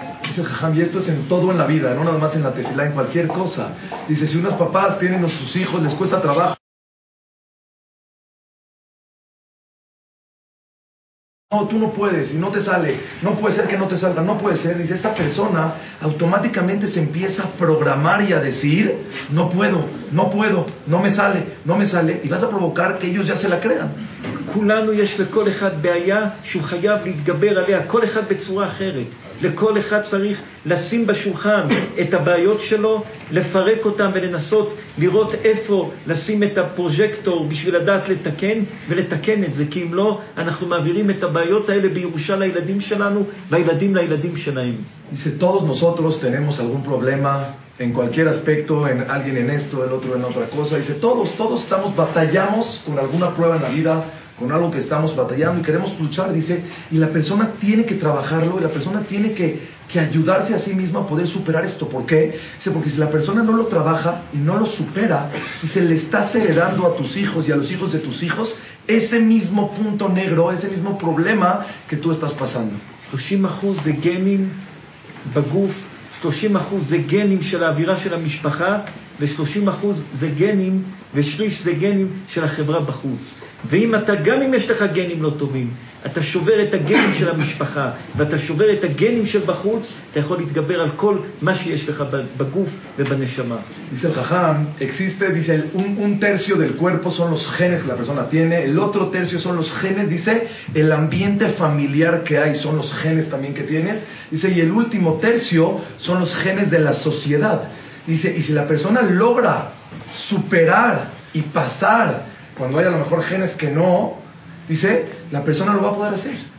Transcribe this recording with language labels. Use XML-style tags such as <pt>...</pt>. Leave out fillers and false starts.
<es>Dice, jajam, y esto es en todo en la vida, no nada más en la tefilá, en cualquier cosa. Dice, si unos papás tienen a sus hijos, les cuesta trabajo. No, tú no puedes, y no te sale. No puede ser que no te salga, no puede ser. Dice, esta persona automáticamente se empieza a programar y a decir, no puedo, no puedo, no me sale, no me sale. Y vas a provocar que ellos ya se la crean.</es> <he>כולנו יש לכל אחד בעיה שהוא חייב להתגבר עליה, כל אחד בצורה אחרת. לכל אחד צריך לשים בשולחן את הבעיות שלו, לפרק אותם ולנסות לראות איפה לשים את הפרוז'קטור בשביל לדעת לתקן ולתקן את זה, כי אם לא, אנחנו מעבירים את הבעיות האלה בירושה לילדים שלנו והילדים לילדים שלהם.</he> <es>Todos nosotros tenemos algún problema en cualquier aspecto, en alguien en esto, el otro en otra cosa. Dice, todos estamos, batallamos con alguna prueba en la vida, con algo que estamos batallando y queremos luchar, dice, y la persona tiene que trabajarlo y la persona tiene que ayudarse a sí misma a poder superar esto. ¿Por qué? Dice, porque si la persona no lo trabaja y no lo supera, dice, le estás heredando a tus hijos y a los hijos de tus hijos ese mismo punto negro, ese mismo problema que tú estás pasando.</es> <he>30% de genim vaguf, 30% de genim de la avira de la mishpacha, ו-30% זה גנים, ושליש זה גנים של החברה בחוץ. ואם אתה, גם אם יש לך גנים לא טובים, אתה שובר את הגנים של המשפחה, ואתה שובר את הגנים של בחוץ, אתה יכול להתגבר על כל מה שיש לך בגוף ובנשמה.</he> <es>Dice el jajam, existe, dice, un tercio del cuerpo son los genes que la persona tiene, el otro tercio son los genes, dice, el ambiente familiar que hay son los genes también que tienes, dice, y el último tercio son los genes de la sociedad. Dice, y si la persona logra superar y pasar cuando hay a lo mejor genes que no, dice, la persona lo va a poder hacer.</es>